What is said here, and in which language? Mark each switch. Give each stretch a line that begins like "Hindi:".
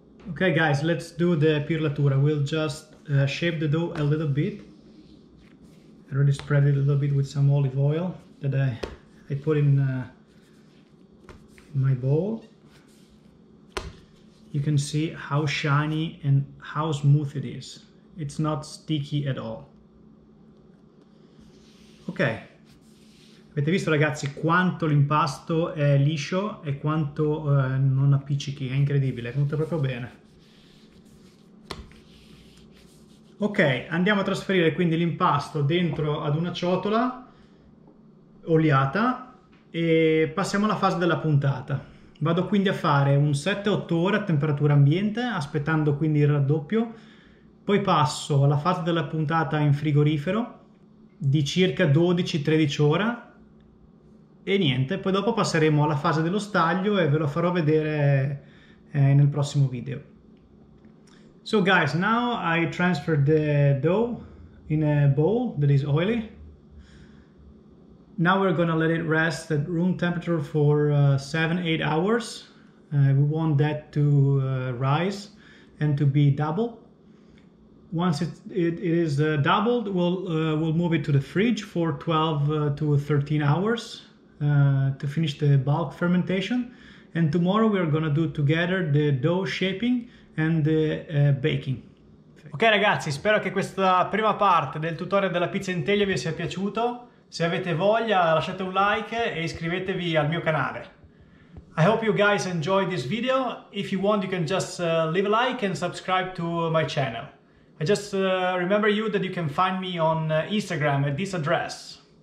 English: Okay guys, let's do the pirlatura. We'll just shape the dough a little bit. I already spread it a little bit with some olive oil that I put in my bowl. You can see how shiny and how smooth it is. It's not sticky at all.
Italian: Ok, avete visto ragazzi quanto l'impasto è liscio e quanto non appiccichi, è incredibile, è venuto proprio bene. Ok, andiamo a trasferire quindi l'impasto dentro ad una ciotola oliata e passiamo alla fase della puntata. Vado quindi a fare un 7-8 ore a temperatura ambiente, aspettando quindi il raddoppio. Poi passo alla fase della puntata in frigorifero di circa 12-13 ore e niente, poi dopo passeremo alla fase dello staglio e ve lo farò vedere nel prossimo video.
English: So guys, now I transfer the dough in a bowl that is oily. Now we're gonna let it rest at room temperature for 7-8 hours. We want that to rise and to be double. Once it is doubled, we'll move it to the fridge for 12 to 13 hours to finish the bulk fermentation. And tomorrow we are gonna do together the dough shaping and the baking.
Italian: Ok ragazzi, spero che questa prima parte del tutorial della pizza in teglia vi sia piaciuto. Se avete voglia lasciate un like e iscrivetevi al mio canale.
English: I hope you guys enjoyed this video. If you want, you can just leave a like and subscribe to my channel. I just remember you that you can find me on Instagram at this address.